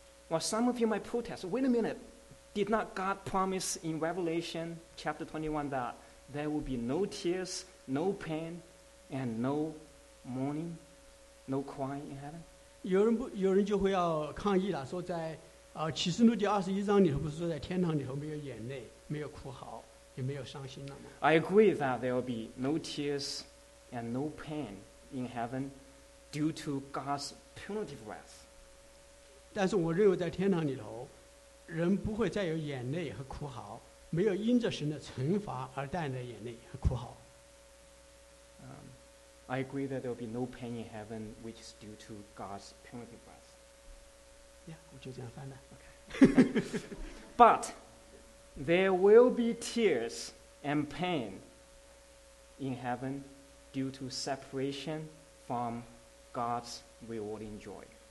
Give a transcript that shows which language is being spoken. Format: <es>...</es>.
<en>Well, some of you might protest, wait a minute, did not God promise in Revelation chapter 21 that there will be no tears, no pain, and no mourning, no crying in heaven?</en> <zh>有人就会要抗议了，说在启示录第21章里头不是说在天堂里头没有眼泪，没有哭嚎。也没有伤心了吗?</zh> <en>I agree that there will be no tears and no pain in heaven due to God's punitive wrath.</en> <zh>但是我认为在天堂里头, 人不会再有眼泪和哭嚎, 没有因着神的惩罚而带来眼泪和哭嚎。</zh> <en>I agree that there will be no pain in heaven which is due to God's punitive wrath.</en> <zh>Yeah, 我就这样翻了。</zh> <en>Okay. But there will be tears and pain in heaven due to separation from God's rewarding joy.</en>